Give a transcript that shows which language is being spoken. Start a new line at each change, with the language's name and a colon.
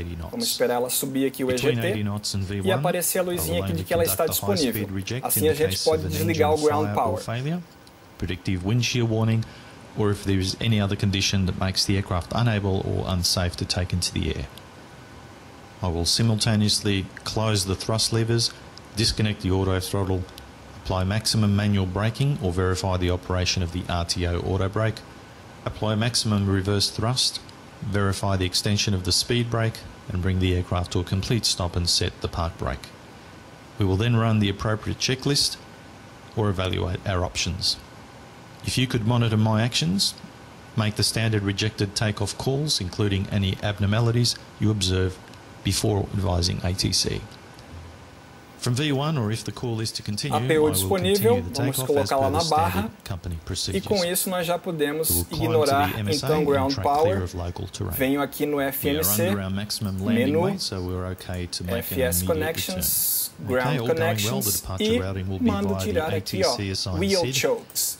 Portuguese: Vamos esperar ela subir aqui o EGT e aparecer a luzinha aqui de que ela está disponível. Assim a gente pode desligar o ground power.
English: Predictive windshield warning, or if there is any other condition that makes the aircraft unable or unsafe to take into the air. I will simultaneously close the thrust levers, disconnect the auto throttle, apply maximum manual braking or verify the operation of the RTO auto brake, apply maximum reverse thrust, verify the extension of the speed brake, and bring the aircraft to a complete stop and set the park brake. We will then run the appropriate checklist or evaluate our options. If you could monitor my actions, make the standard rejected takeoff calls, including any abnormalities you observe before advising ATC. From V1, or if the call is to continue,
Portuguese: APU disponível, vamos colocá-la na barra. E com isso nós já podemos ignorar então ground power. Venho aqui no FMC, menu, FS connections, ground connections e mando tirar aqui, ó, wheel chokes.